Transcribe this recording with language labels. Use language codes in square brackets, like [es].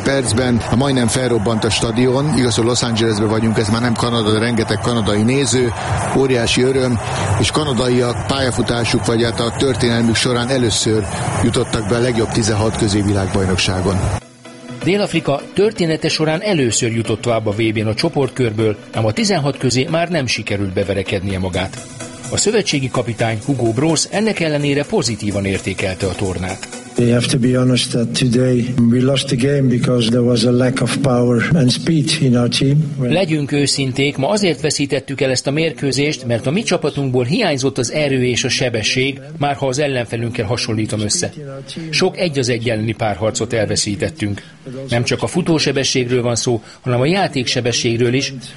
[hu] percben a majdnem felrobbant a stadion. Igaz, hogy Los Angelesben vagyunk, ez már nem Kanada, de rengeteg kanadai néző, óriási öröm, és kanadaiak pályafutásuk, vagy hát a történelmük során először jutottak be a legjobb 16 közé világbajnokságon. Dél-Afrika története során először jutott tovább a VB-n a csoportkörből, ám a 16 közé már nem sikerült beverekednie magát. A szövetségi kapitány Hugo Broos ennek ellenére pozitívan értékelte a tornát. [en] We have to be honest that today we lost the game because there was a lack of power and speed in our team. [hu] Legyünk őszinték, ma azért veszítettük el ezt a mérkőzést, mert a mi csapatunkból hiányzott az erő és a sebesség, már ha az ellenfelünkkel hasonlítom össze. Sok egy az egy elleni párharcot elveszítettünk. Nem csak a futósebességről van szó, hanem a játéksebességről is.